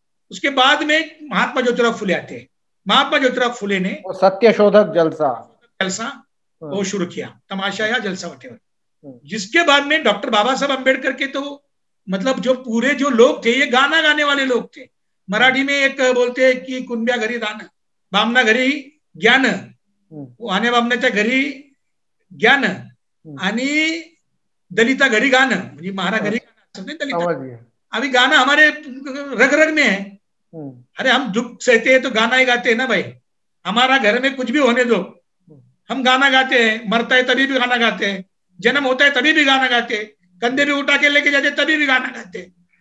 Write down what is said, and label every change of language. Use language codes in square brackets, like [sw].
[hi] उसके बाद में महात्मा ज्योतिराव फुले आते हैं, महात्मा ज्योतिराव फुले ने सत्यशोधक जलसा वो शुरू किया, तमाशा या जलसा, जिसके बाद में डॉक्टर बाबा साहब अम्बेडकर के तो मतलब जो पूरे जो लोग थे ये गाना गाने वाले लोग थे। मराठी में एक बोलते हैं कि [mr] कुंब्या घरी दान बामना घरी ज्ञान, आने बामनाच्या घरी ज्ञान आणि दलिता घरी गाण, म्हणजे महारा घरी गाणं दलिता। [hi] अभी गाणं हमारे रग रग में है। अरे हम दुख सहते हैं तो गाना ही गाते हैं ना भाई, हमारा घर में कुछ भी होने दो हम गाना गाते हैं, मरता है तभी भी गाना गाते हैं, जन्म होता है तभी भी गाना गाते हैं, कंधे भी उठा के लेके जाते तभी भी गाना गाते हैं।